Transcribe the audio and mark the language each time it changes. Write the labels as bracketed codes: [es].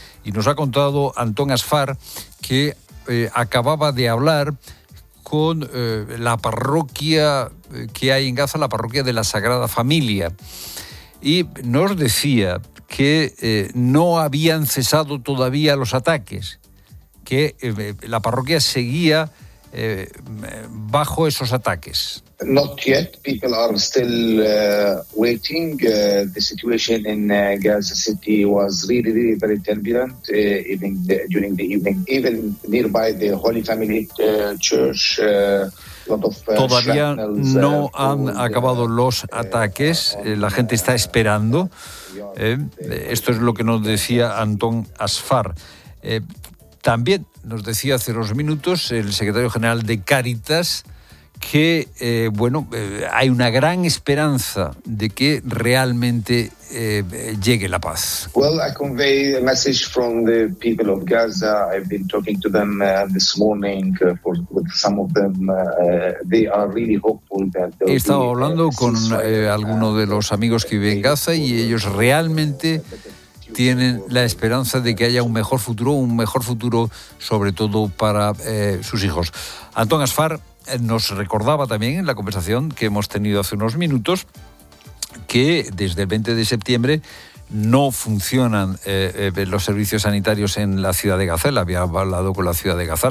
[es] Y nos ha contado Antón Asfar que acababa de hablar con la parroquia que hay en Gaza, la parroquia de la Sagrada Familia. Y nos decía que no habían cesado todavía los ataques, que la parroquia seguía bajo esos ataques. [en] Not yet. People are still waiting. The situation in Gaza City was really, really very turbulent, even during the evening. Even nearby the Holy Family Church, lot of [es] todavía no han acabado los ataques. La gente está esperando. Esto es lo que nos decía Antón Asfar. También nos decía hace unos minutos el secretario general de Cáritas que hay una gran esperanza de que realmente llegue la paz. [en] Well, I convey a message from the people of Gaza. I've been talking to them this morning with some of them. They are really hopeful that [es] he estado hablando con alguno de los amigos que viven en Gaza y ellos realmente tienen la esperanza de que haya un mejor futuro sobre todo para sus hijos. Antón Asfar nos recordaba también en la conversación que hemos tenido hace unos minutos que desde el 20 de septiembre no funcionan los servicios sanitarios en la ciudad de Gaza. Él había hablado con la ciudad de Gaza.